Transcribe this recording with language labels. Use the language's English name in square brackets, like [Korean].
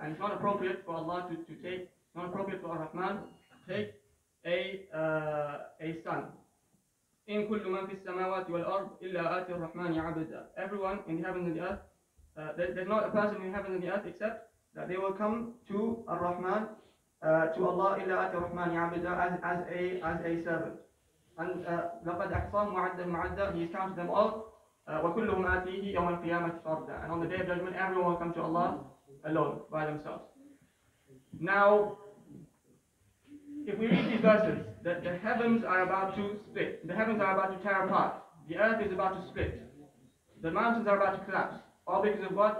[English] And it's not appropriate for Allah to take, it's not appropriate for Ar-Rahman to take a son. [Arabic] إِنْ كُلُّ مَنْ فِي السَّمَاوَاتِ وَالْأَرْضِ إِلَّا آتِي الرَّحْمَنِ عَبْدًا. [English] Everyone in the heaven and the earth, there's not a person in heaven and the earth except that they will come to Ar-Rahman, to Allah, [Arabic] إِلَّا آتِي الرَّحْمَنِ عَبْدًا, [English] as a servant. [Arabic] And لَقَدْ أَحْصَاهُمْ وَعَدَّهُمْ عَدًّا. [English] He's counted them all. [Arabic] وَكُلُّهُمْ آتِيهِ يَوْمَ الْقِيَامَةِ فَرْدًا. [English] And on the day of judgment, everyone will come to Allah alone, by themselves. Now, if we read these verses, that the heavens are about to split, the heavens are about to tear apart, the earth is about to split, the mountains are about to collapse, all because of what?